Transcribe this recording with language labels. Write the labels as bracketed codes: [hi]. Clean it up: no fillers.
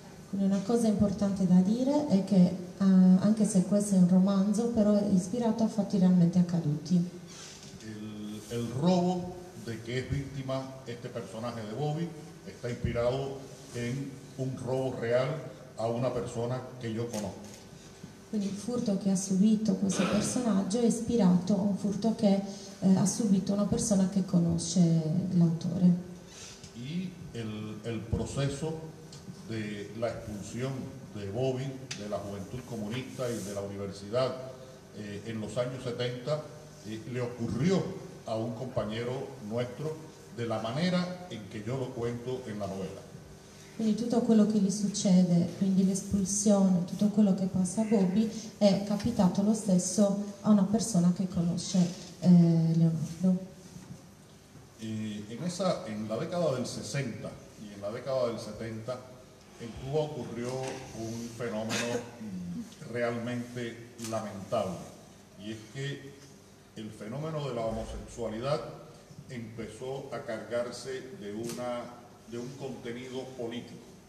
[it] Quindi una cosa importante da dire è che anche se questo è un romanzo, però è ispirato a fatti realmente accaduti. [es] El robo de que es víctima este personaje de Bobby está inspirado en un robo real a una persona que yo conozco. [it] Quindi il furto che ha subito questo personaggio è ispirato a un furto che ha subito una persona che conosce l'autore. [es] Y el proceso de la expulsión de Bobby de la Juventud Comunista y de la universidad en los años 70 le ocurrió a un compañero nuestro de la manera en que yo lo cuento en la novela. [it] Quindi tutto quello che gli succede, quindi l'espulsione, tutto quello che passa a Bobby è capitato lo stesso a una persona che conosce Leonardo. [es] En la década del 60 y en la década del 70 en Cuba ocurrió un fenómeno realmente lamentable y es que el fenómeno de la homosexualidad empezó a cargarse de un contenido político.